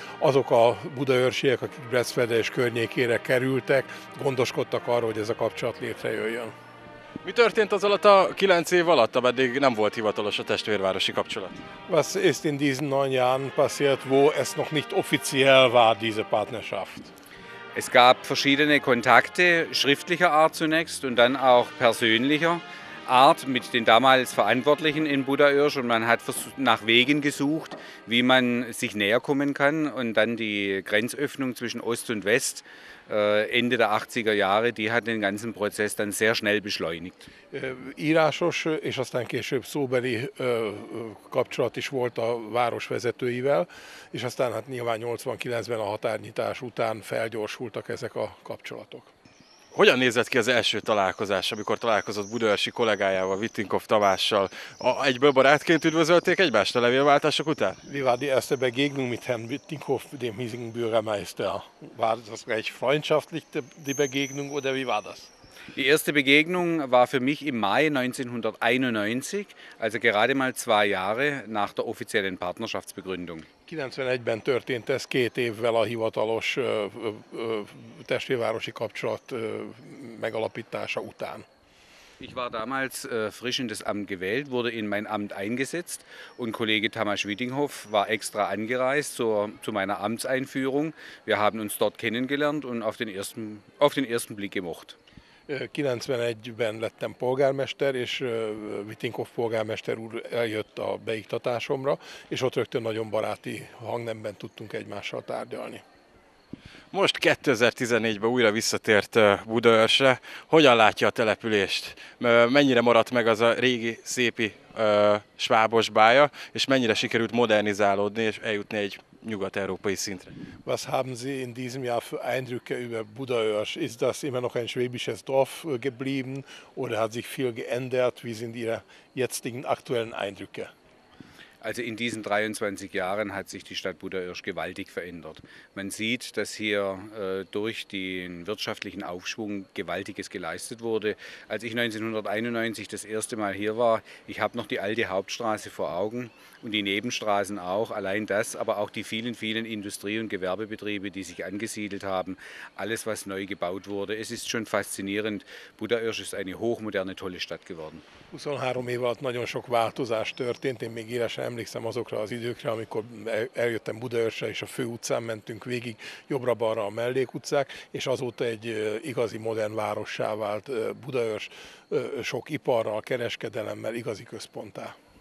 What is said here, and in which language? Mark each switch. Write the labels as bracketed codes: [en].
[hu] Azok a budaörsiek, akik Breszfeld és környékére kerültek, gondoskodtak arról, hogy ez a kapcsolat létrejöjjön. Mi történt az alatt a 9 év alatt, ameddig nem volt hivatalos a testvérvárosi kapcsolat? [de] Was ist in diesen 9 Jahren passiert, wo es noch nicht offiziell war, diese Partnerschaft? Es gab verschiedene Kontakte, schriftlicher Art zunächst und dann auch persönlicher. Art mit den damals Verantwortlichen in Budaörs und man hat nach Wegen gesucht, wie man sich näher kommen kann. Und dann die Grenzöffnung zwischen Ost und West Ende der 80er Jahre, die hat den ganzen Prozess dann sehr schnell beschleunigt. [hu] Írásos és aztán később szóbeli kapcsolat is volt a város vezetőivel, és aztán hát nyilván 89-ben a határnyitás után felgyorsultak ezek a kapcsolatok. Hogyan nézett ki az első találkozás, amikor találkozott budaörsi kollégájával, Vitinkov Tamással? Egyből barátként üdvözölték egymást a levélváltások után? [de] Wir war die erste Begegnung mit Herrn Vitinkov, dem hiesigen Bürgermeister. War das recht freundschaftlich, die Begegnung, oder wie war das? Die erste Begegnung war für mich im Mai 1991, also gerade mal 2 Jahre nach der offiziellen Partnerschaftsbegründung. [hu] 91-ben történt ez 2 évvel a hivatalos testvérvárosi kapcsolat megalapítása után. [de] Ich war damals frisch in das Amt gewählt, wurde in mein Amt eingesetzt und Kollege Tamás Vitinkov war extra angereist zu meiner Amtseinführung. Wir haben uns dort kennengelernt und auf den ersten Blick gemocht. [hu] 91-ben lettem polgármester, és Vitinkov polgármester úr eljött a beiktatásomra, és ott rögtön nagyon baráti hangnemben tudtunk egymással tárgyalni. Most 2014-ben újra visszatért Budaörsre. Hogyan látja a települést? Mennyire maradt meg az a régi, szépi svábos bája, és mennyire sikerült modernizálódni és eljutni egy nyugat-európai szintre? [de] Was haben Sie in diesem Jahr für Eindrücke über Budaörs? Ist das immer noch ein schwäbisches Dorf geblieben oder hat sich viel geändert? Wie sind Ihre jetzigen aktuellen Eindrücke? Also in diesen 23 Jahren hat sich die Stadt Budaörs gewaltig verändert. Man sieht, dass hier durch den wirtschaftlichen Aufschwung Gewaltiges geleistet wurde. Als ich 1991 das erste Mal hier war, ich habe noch die alte Hauptstraße vor Augen und die Nebenstraßen auch. Allein das, aber auch die vielen, vielen Industrie- und Gewerbebetriebe, die sich angesiedelt haben. Alles, was neu gebaut wurde. Es ist schon faszinierend. Budaörs ist eine hochmoderne, tolle Stadt geworden. 23 Jahre alt, [hu] nagyon sok változás történt, én még éles emlékszem azokra az időkre, amikor eljöttem Budaörsre, és a fő utcán mentünk végig, jobbra-balra a mellékutcák, és azóta egy igazi modern várossá vált Budaörs, sok iparral, kereskedelemmel, igazi központtá.